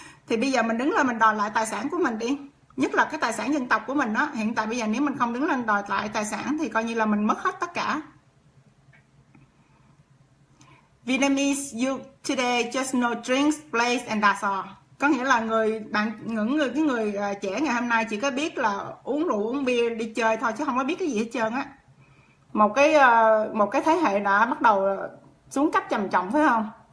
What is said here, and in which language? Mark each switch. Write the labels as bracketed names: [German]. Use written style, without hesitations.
[Vietnamese] Thì bây giờ mình đứng lên mình đòi lại tài sản của mình đi, nhất là cái tài sản dân tộc của mình đó. Hiện tại bây giờ nếu mình không đứng lên đòi lại tài sản thì coi như là mình mất hết tất cả. [English] Vietnamese youth today just know drinks, place and that's all. [Vietnamese] Có nghĩa là người bạn những người cái người trẻ ngày hôm nay chỉ có biết là uống rượu uống bia đi chơi thôi chứ không có biết cái gì hết trơn á. Một cái thế hệ đã bắt đầu xuống cấp trầm trọng phải không?